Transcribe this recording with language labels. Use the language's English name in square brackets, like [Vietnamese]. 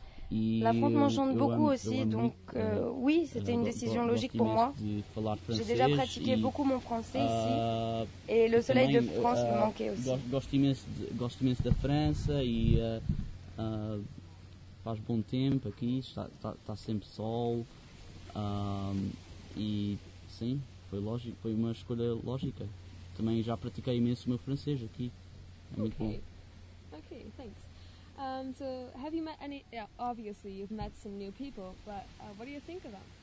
[French] La France m'enchante beaucoup aussi, donc oui, c'était une décision logique pour moi. J'ai déjà pratiqué beaucoup mon français ici, et le soleil de France me manquait aussi. [Portuguese] Gosto imenso da França e faz bom tempo aqui, está sempre sol, e sim, foi lógico, foi uma escolha lógica. Também já pratiquei imenso o meu francês aqui, é muito bom. [English] Ok, thanks. So, have you met any, yeah, obviously you've met some new people, but what do you think of them?